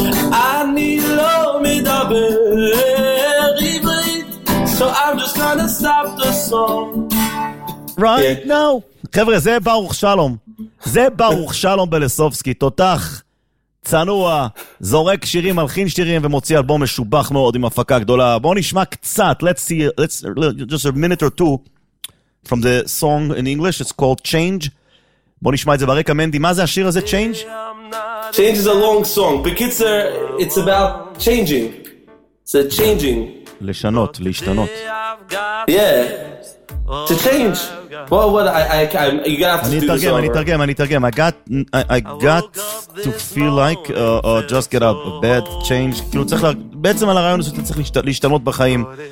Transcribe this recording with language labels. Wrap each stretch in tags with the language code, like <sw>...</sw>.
<he>Ani Lo Medaber Ivrit.</he> <en>So I'm just going to stop the song. Right now.</en> <he>חבר'ה, זה ברוך שלום. זה ברוך שלום בלסובסקי. תותח, צנוע, זורק שירים, מלחין שירים, ומוציא אלבום משובח מאוד עם הפקה גדולה. בואו נשמע קצת.</he> <en>Let's see, let's just a minute or two from the song in English. It's called Change.</en> <he>בואו נשמע את זה ברקע, מנדי. מה זה השיר הזה, Change?</he> <en>Change is a long song.</en> <he>בקיצר,</he> <en>it's about changing. It's a changing.</en> <he>לשנות, להשתנות.</he> <en>Yeah. To change. What you got to do.</en> <he>אני אתרגם.</he> <en>I got to feel like just get out of bed, change.</en> <he>כאילו צריך בעצם על הרעיון הזה אתה צריך להשתנות בחיים.</he>